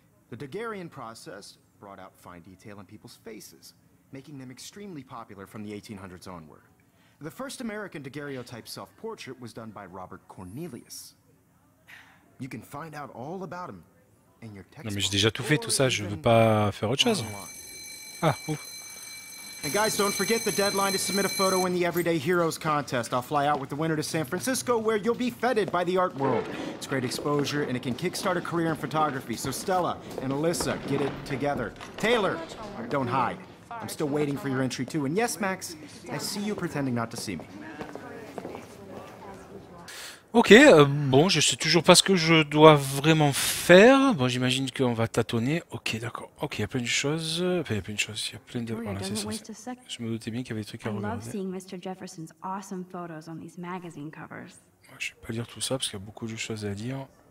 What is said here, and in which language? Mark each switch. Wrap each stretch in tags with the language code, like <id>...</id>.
<en>The Daguerrean process brought out fine detail in people's faces, making them extremely popular from the 1800s onward. The first American daguerreotype self-portrait was done by Robert Cornelius. You can find out all about him in your textbook.</en> <fr>Non, mais j'ai déjà tout fait, tout ça. Je veux pas faire autre chose. Ah, ouf.</fr> <en>And guys, don't forget the deadline to submit a photo in the Everyday Heroes contest. I'll fly out with the winner to San Francisco, where you'll be feted by the art world. It's great exposure, and it can kickstart a career in photography. So Stella and Alyssa, get it together. Taylor, don't hide. I'm still waiting for your entry, too. And yes, Max, I see you pretending not to see me.</en> <fr>Ok, bon, je sais toujours pas ce que je dois vraiment faire. Bon, j'imagine qu'on va tâtonner. Ok, d'accord. Ok, il y a plein de choses. Enfin, il y a plein de choses. Il y a plein de... Voilà, c'est ça. Je me doutais bien qu'il y avait des trucs à regarder. J'adore voir Mr.</fr> <en>Jefferson's awesome photos on these magazine covers.</en> <fr>Bon, je vais pas lire tout ça parce qu'il y a beaucoup de choses à lire.</fr>